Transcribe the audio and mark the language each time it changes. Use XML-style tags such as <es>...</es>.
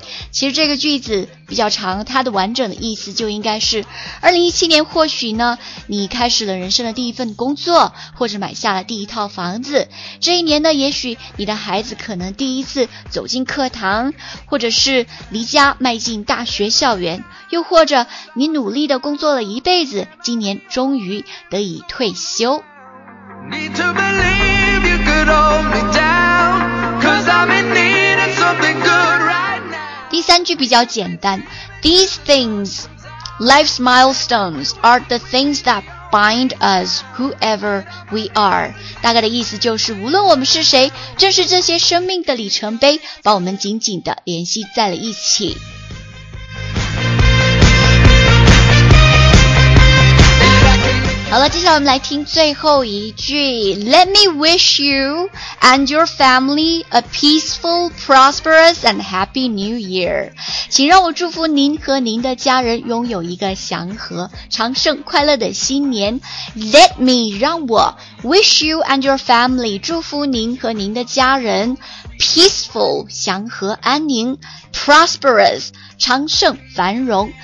<zh>其实这个句子比较长，它的完整的意思就应该是2017年或许呢你开始了人生的第一份工作，或者买下了第一套房子。这一年呢，也许你的孩子可能第一次走进课堂，或者是离家迈进大学校园，又或者你努力的工作了一辈子，今年终于得以退休。</zh> <en>Need to believe you could hold me down, cause I'm in need of something good.</en> <zh>第三句比较简单，</zh> <en>These things, life's milestones, are the things that bind us, whoever we are.</en> <zh>大概的意思就是，无论我们是谁，正是这些生命的里程碑，把我们紧紧地联系在了一起。好了，接下来我们来听最后一句。</zh> <en>Let me wish you and your family a peaceful, prosperous, and happy new year.</en> <zh>请让我祝福您和您的家人拥有一个祥和、长盛、快乐的新年。</zh> <en>Let me,</en> <zh>让我</zh> <en>wish you and your family,</en> <zh>祝福您和您的家人</zh> <en>peaceful,</en> <zh>祥和、安宁</zh> <en>prosperous,</en> <zh>长盛、繁荣。</zh>